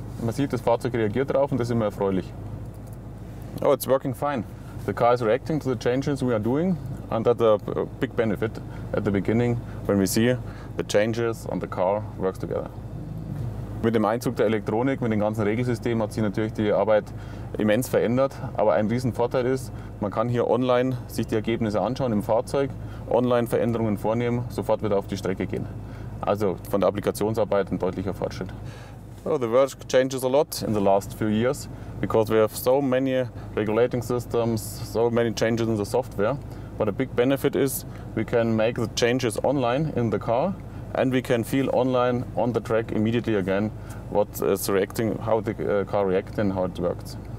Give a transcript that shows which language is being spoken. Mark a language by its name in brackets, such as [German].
[German] Man sieht, das Fahrzeug reagiert darauf und das ist immer erfreulich. [English] Oh, it's working fine. The car is reacting to the changes we are doing and that's a big benefit at the beginning when we see the changes on the car works together. [German] Mit dem Einzug der Elektronik, mit dem ganzen Regelsystem hat sich natürlich die Arbeit immens verändert. Aber ein Riesenvorteil ist, man kann hier online sich die Ergebnisse anschauen im Fahrzeug, online Veränderungen vornehmen, sofort wieder auf die Strecke gehen. Also von der Applikationsarbeit ein deutlicher Fortschritt. [English] Oh, the world changes a lot in the last few years because we have so many regulating systems, so many changes in the software. But a big benefit is we can make the changes online in the car and we can feel online on the track immediately again what is reacting, how the car reacts and how it works.